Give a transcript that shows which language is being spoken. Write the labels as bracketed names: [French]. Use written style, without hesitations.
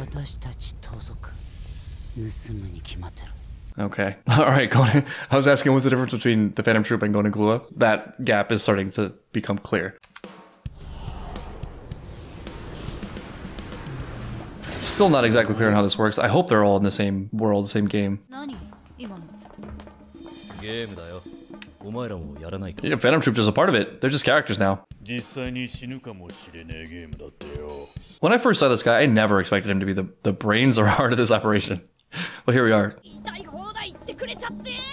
[Japanese] 私たち盗賊、盗むに決まってる。 [English] Okay. Alright, Conan. I was asking, what's the difference between the Phantom Troop and Conan Kalua? That gap is starting to become clear. Still not exactly clear on how this works. I hope they're all in the same world, same game. [Japanese] 何？今の。ゲームだよ。お前らもやらないと。 [English] Yeah, Phantom Troop is a part of it. They're just characters now. [Japanese] 実際に死ぬかもしれないゲームだってよ。 [English] When I first saw this guy, I never expected him to be the brains or heart of this operation. Well, here we are. [Japanese] 痛い放題言ってくれちゃって。